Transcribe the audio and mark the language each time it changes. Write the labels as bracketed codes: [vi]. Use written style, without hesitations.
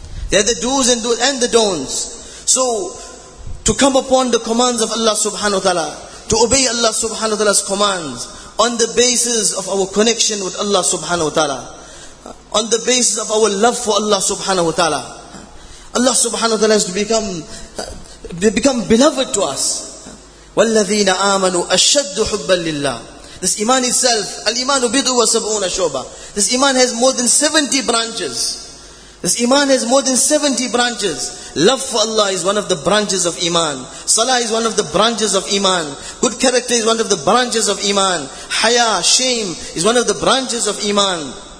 [en] They are the do's and the don'ts. So, to come upon the commands of Allah subhanahu wa ta'ala, to obey Allah subhanahu wa ta'ala's commands, on the basis of our connection with Allah subhanahu wa ta'ala, on the basis of our love for Allah subhanahu wa ta'ala, Allah subhanahu wa ta'ala has to become beloved to us. [ar] وَالَّذِينَ آمَنُوا أَشَّدُّ حُبَّا لِلَّهِ. [en] This iman itself, [ar] الْإِمَانُ بِضُوا وَسَبْعُونَ شُعْبَةً. [en] This iman has more than 70 branches. This iman has more than 70 branches. Love for Allah is one of the branches of iman. Salah is one of the branches of iman. Good character is one of the branches of iman. Haya, shame is one of the branches of iman.